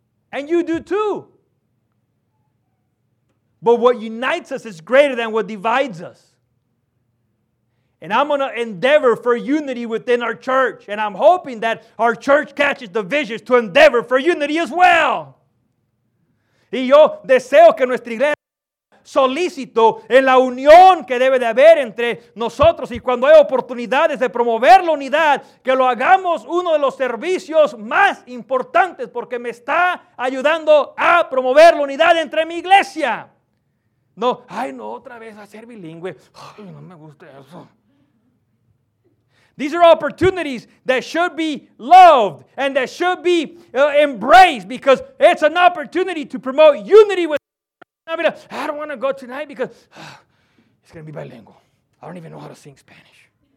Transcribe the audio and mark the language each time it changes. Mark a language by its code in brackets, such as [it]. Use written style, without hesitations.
[en] And you do too. But what unites us is greater than what divides us. And I'm going to endeavor for unity within our church. And I'm hoping that our church catches the visions to endeavor for unity as well. [es] Y yo deseo que nuestra iglesia solicito en la unión que debe de haber entre nosotros. Y cuando hay oportunidades de promover la unidad, que lo hagamos uno de los servicios más importantes. Porque me está ayudando a promover la unidad entre mi iglesia. No, ay no, otra vez a ser bilingüe. Ay, no me gusta eso. [en] These are opportunities that should be loved and that should be embraced because it's an opportunity to promote unity with. I don't want to go tonight because it's going to be bilingual. I don't even know how to sing Spanish.